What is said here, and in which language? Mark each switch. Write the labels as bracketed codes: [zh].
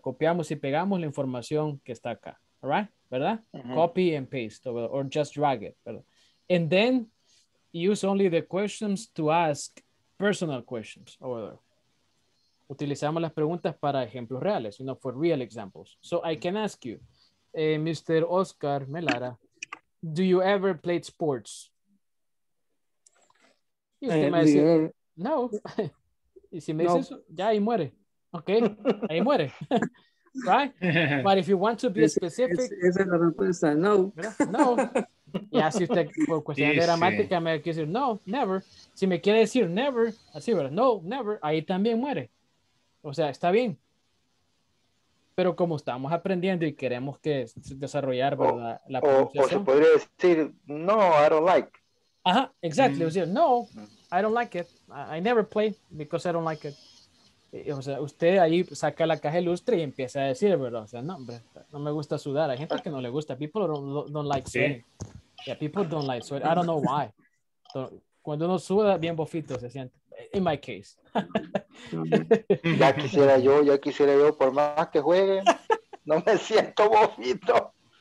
[es] Copiamos y pegamos la información que está acá, [en] ¿right? [es] ¿Verdad? [en] Uh-huh. Copy and paste, or just drag it, [es] ¿verdad? [en] And then use only the questions to ask personal questions over there. [es] Utilizamos las preguntas para ejemplos reales, [en] you know, for real examples. So I can ask you, Mr. Oscar Melara, do you ever play sports? No. [es] Y si me dices eso, ya ahí muere. [en] Okay, [es] ahí muere. [en] Right? But if you want to be specific. [es] Esa es la respuesta, no. No. Y así usted, por cuestión de gramática, me quiere decir, no, [en] never. [es] Si me quiere decir never, así, ¿verdad? [en] No, never. [es] Ahí también muere. O sea, está bien. Pero como estamos aprendiendo y queremos que desarrollar, ¿verdad? La pronunciación. O se podría decir, no, [en] I don't like. [es] Ajá, [en] exactly. [es] O sea, no. [en] I don't like it. I never play because I don't like it. [es] O sea, usted ahí saca la caja de lustre y empieza a decir, ¿verdad? O sea, no, hombre, no me gusta sudar. Hay gente que no le gusta. [en] People don't like sweating. Yeah, people don't like sweating. I don't know why. [es] Cuando uno suda, bien bofito se siente. [en] In my case. [es] Ya quisiera yo, por más que juegue, no me siento bofito.